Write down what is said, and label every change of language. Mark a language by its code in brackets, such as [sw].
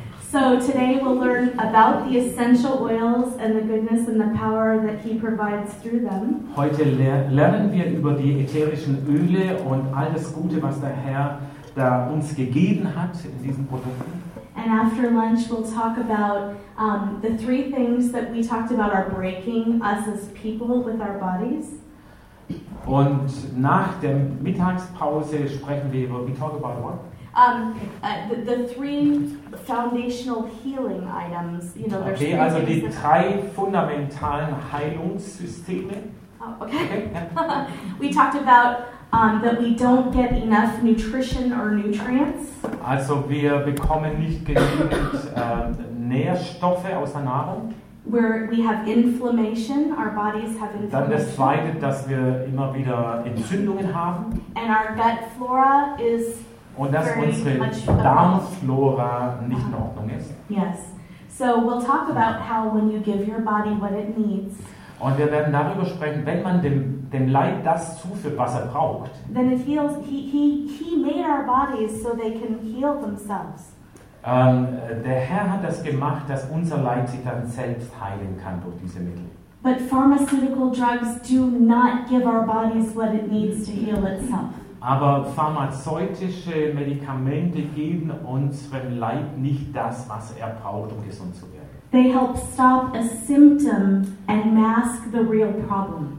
[en] So today we'll learn about the essential oils and the goodness and the power that he provides through them. [de] Heute lernen wir über die ätherischen Öle und all das Gute, was der Herr da uns gegeben hat in diesen Produkten. [en] And after lunch we'll talk about the three things that we talked about are breaking us as people with our bodies. [de] Und nach der Mittagspause sprechen wir über, [en] we talk about what? The three foundational healing items, you know, there's okay, three [de] also die drei fundamentalen Heilungssysteme. [en] Oh, okay. We talked about that we don't get enough nutrition or nutrients. [de] Also wir bekommen nicht genügend Nährstoffe aus der Nahrung. [en] Where we have inflammation, our bodies have inflammation. [de] Dann das Zweite, dass wir immer wieder Entzündungen haben. [en] And our gut flora is. [de] Und dass unsere Darmflora nicht in Ordnung ist. [en] Yes. So we'll talk about how when you give your body what it needs. [de] Und wir werden darüber sprechen, wenn man dem Leib das zuführt, was er braucht. [en] Then it heals. He made our bodies so they can heal themselves. [de] Der Herr hat das gemacht, dass unser Leib sich dann selbst heilen kann durch diese Mittel. [en] But pharmaceutical drugs do not give our bodies what it needs to heal itself. [de] Aber pharmazeutische Medikamente geben unserem Leib nicht das, was er braucht, um gesund zu werden. [en] They help stop a symptom and mask the real problem.